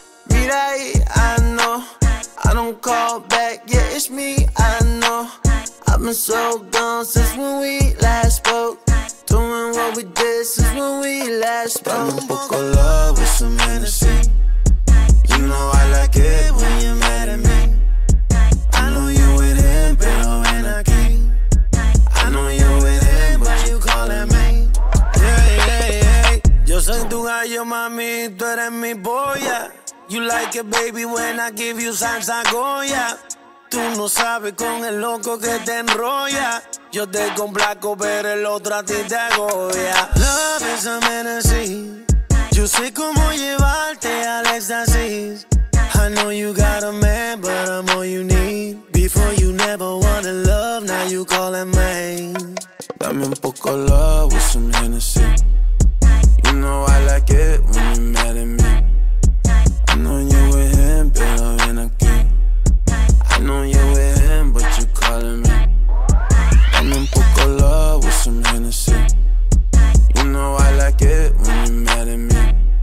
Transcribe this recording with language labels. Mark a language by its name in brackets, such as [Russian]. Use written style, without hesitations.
[English] Mira ahí, I know I don't call back, yeah, it's me, I know. I've been so gone since when we last spoke. Doing what we did since when we last spoke. Got a book of love with some Hennessy. You know I like it when you're mad at me. I know you with him, pero ven aquí. I know you with him, but you calling me. Yeah, yeah, yeah. [Spanish] Yo soy tu gallo, mami, tú eres mi boya. [English] You like it, baby, when I give you salsa Goya. [Spanish] Tú no sabes con el loco que te enrolla. Yo te complaco, pero el otro a ti te agobia. Love is a menacing. Yo sé cómo llevarte al éxtasis. [English] I know you got a man, but I'm all you need. Before you never wanted love, now you calling me. Dame un poco love with some Hennessy. You know I like it when you're mad at me. I know you with him, pero ven aquí. I know you with him, but you calling me. Dame un poco love with some Hennessy. You know I like it when you're mad at me.